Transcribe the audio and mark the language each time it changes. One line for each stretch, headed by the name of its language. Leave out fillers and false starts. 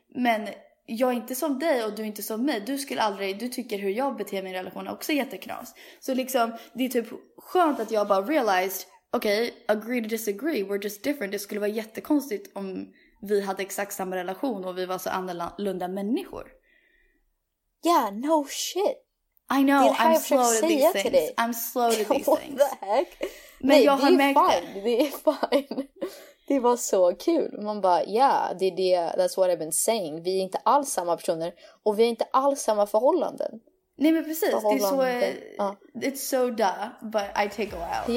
Swedish: Men jag är inte som dig och du är inte som mig. Du tycker hur jag beter min relation är också jätteknas. Så liksom, det är typ skönt att jag bara
English: realized,
Swedish: okej,
English: okay, agree to disagree, we're just different.
Swedish: Det skulle vara jättekonstigt om vi hade exakt samma relation och vi var så annorlunda människor.
English: Yeah, no shit. I know, I'm slow to these things. What the heck?
Swedish: Men nej, jag har märkt det. Det är fine. Det var så kul. Man bara,
English: yeah, that's what I've been saying.
Swedish: Vi är inte alls samma personer. Och vi är inte alls samma förhållanden. Nej, men precis.
English: It's so duh, but I take a while.